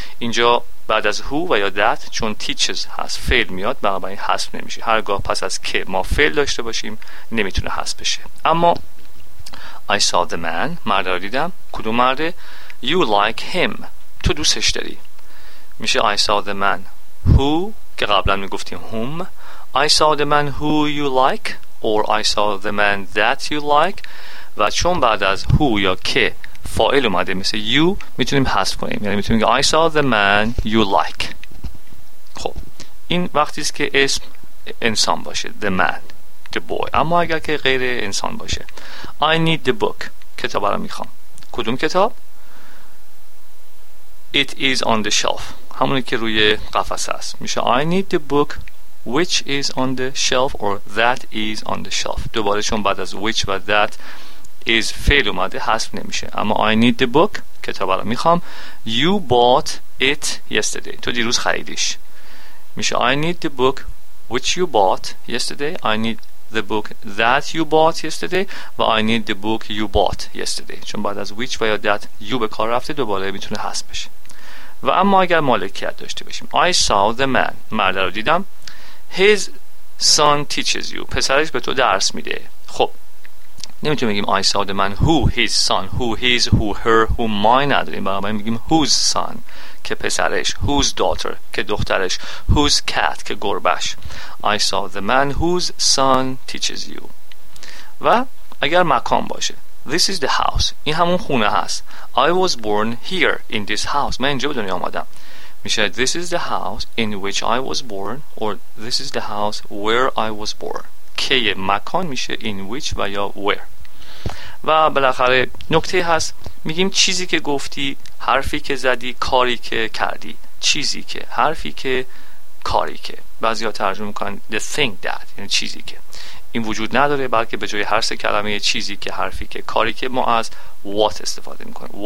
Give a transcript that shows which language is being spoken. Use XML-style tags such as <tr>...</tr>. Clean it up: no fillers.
<fa>اینجا بعد از who و یا that چون teaches هست فعل میاد، بنابراین حذف نمیشه. هرگاه پس از که ما فعل داشته باشیم نمیتونه حذف بشه. اما</fa> <en>I saw the man،</en> <fa>مرد رو دیدم. کدوم مرده؟</fa> <en>You like him،</en> <fa>تو دوستش داری.</fa> <en>میشه I saw the man who،</en> <fa>که قبلا میگفتیم</fa> <en>whom. I saw the man who you like or I saw the man that you like.</en> <fa>و چون بعد از who یا که فاعل اومده مثل you، میتونیم حذف کنیم، یعنی میتونیم</fa> <en>I saw the man you like.</en> <fa>خب این وقتی است که اسم انسان باشه،</fa> <en>the man، the boy.</en> <fa>اما اگر که غیر انسان باشه،</fa> <en>I need the book،</en> <fa>کتاب را میخوام. کدوم کتاب؟</fa> <en>It is on the shelf،</en> <fa>همونی که روی قفس هست.</fa> <en>میشه I need the book which is on the shelf or that is on the shelf.</en> <fa>دوباره چون بعد از which و that is فعل اومده حذف نمیشه، اما</fa> <en>I need the book،</en> <fa>کتاب را میخوام.</fa> <en>You bought it yesterday،</en> <fa>تو دیروز خریدیش.</fa> <en>میشه I need the book which you bought yesterday، I need the book that you bought yesterday و I need the book you bought yesterday.</en> <fa>چون بعد از which و یا that you به کار رفته، دوباره میتونه حذف بشه. و اما اگر مالکیت داشته باشیم،</fa> <en>I saw the man،</en> <fa>مرد رو دیدم.</fa> <en>His son teaches you،</en> <fa>پسرش به تو درس میده. خب نمیتونیم بگیم</fa> <en>I saw the man who his son،</en> <fa>who his، who her، who mine نداریم، بنابراین بگیم whose son، که پسرش، whose daughter، که دخترش، whose cat، که گربش.</fa> <en>I saw the man whose son teaches you.</en> <fa>و اگر مکان باشه،</fa> <en>this is the house،</en> <fa>این همون خونه هست.</fa> <en>I was born here in this house،</en> <fa>من اینجا به دنیا آمدم.</fa> <en>میشه this is the house in which I was born or this is the house where I was born.</en> <fa>که مکان میشه in which و یا where. و بالاخره نکته هست، میگیم چیزی که گفتی، حرفی که زدی، کاری که کردی. چیزی که، حرفی که، کاری که، بعضی ها ترجمه میکنن</fa> <en>the thing that،</en> <fa>یعنی چیزی که. این وجود نداره، بلکه به جای هر سه کلمه چیزی که، حرفی که، کاری که، ما از what استفاده میکنیم.</fa>